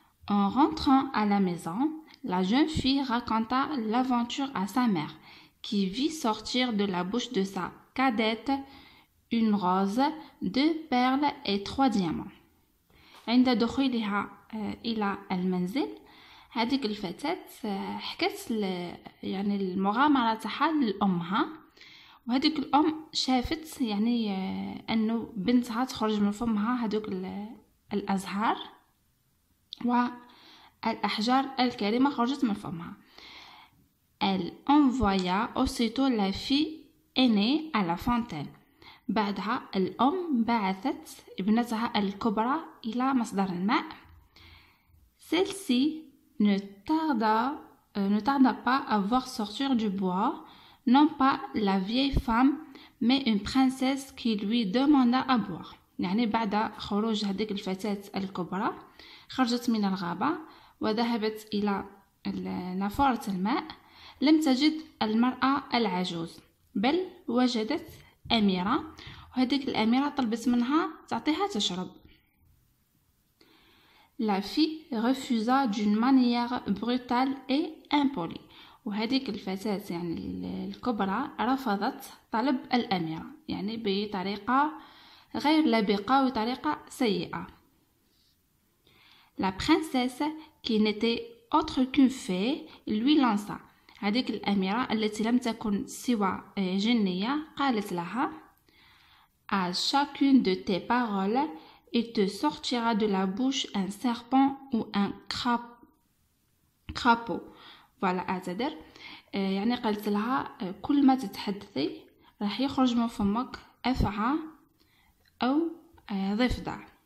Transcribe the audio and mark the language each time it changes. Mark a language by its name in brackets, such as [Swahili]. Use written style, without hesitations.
[French] En rentrant à la maison, la jeune fille raconta l'aventure à sa mère, qui vit sortir de la bouche de sa cadette une rose, deux perles et trois diamants. [Arabic] عند دخولها إلى المنزل، هذيك الفتاة حكت يعني المغامرة تاعها لأمها. وهذيك الام شافت يعني انه بنتها تخرج من فمها هذوك الازهار والاحجار الكريمه خرجت من فمها. [French] Elle envoya aussitôt la fille aînée à la fontaine. [Arabic] بعدها الأم بعثت ابنتها الكبرى إلى مصدر الماء. [French] Celle-ci ne tarda pas à voir sortir du bois, non pas la vieille femme, mais une princesse qui lui demanda à boire. [Arabic] يعني بعد خروج هذيك الفتاة الكبرى خرجت من الغابة وذهبت إلى نافورة الماء لم تجد المرأة العجوز بل وجدت أميرة وهذيك الأميرة طلبت منها تعطيها تشرب. [French] La fille refusa d'une manière brutale et impolie. [Arabic] وهذيك الفتاة يعني الكبرى رفضت طلب الأميرة يعني بطريقة غير لبقة وطريقة سيئة. [French] La princesse qui n'était autre qu'une fée lui lança. [Arabic] هذيك الأميرة التي لم تكن سوى جنية قالت لها [French] À chacune de tes paroles, il te sortira de la bouche un serpent ou un crapaud. [Arabic] Voilà, أعتذر. يعني قالت لها كل ما تتحدثي راح يخرج من فمك أفعى أو ضفدع.